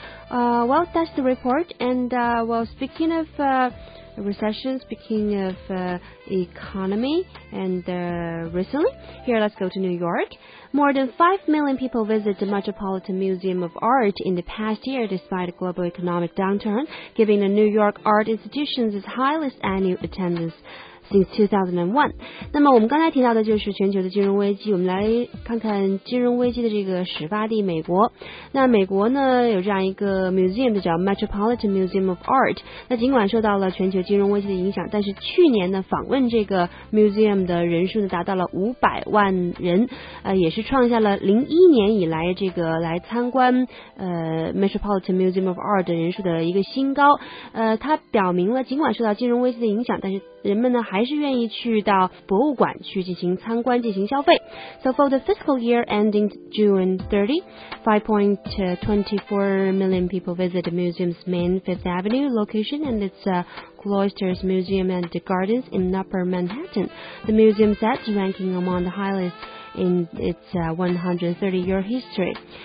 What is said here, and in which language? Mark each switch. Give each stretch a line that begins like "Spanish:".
English: Well, that's the report. And well, speaking of recession, speaking of economy, and recently, here let's go to New York. More than 5 million people visit the Metropolitan Museum of Art in the past year despite a global economic downturn, giving the New York art institutions its highest annual attendance since 2001.
Chinese: 那么我们刚才提到的就是全球的金融危机，我们来看看金融危机的这个始发地美国。那美国呢有这样一个 museum 叫 Metropolitan Museum of Art， 那尽管受到了全球金融危机的影响，但是去年呢访问这个 museum 的人数呢达到了500万人，也是创下了2001年以来这个来参观Metropolitan Museum of Art 的人数的一个新高。它表明了尽管受到金融危机的影响，但是人们呢还是愿意去到博物馆去进行参观，进行消费。
English: So for the fiscal year ending June 30, 5.24 million people visit the museum's main Fifth Avenue location and its Cloisters Museum and the Gardens in Upper Manhattan. The museum said ranking among the highest in its 130-year history.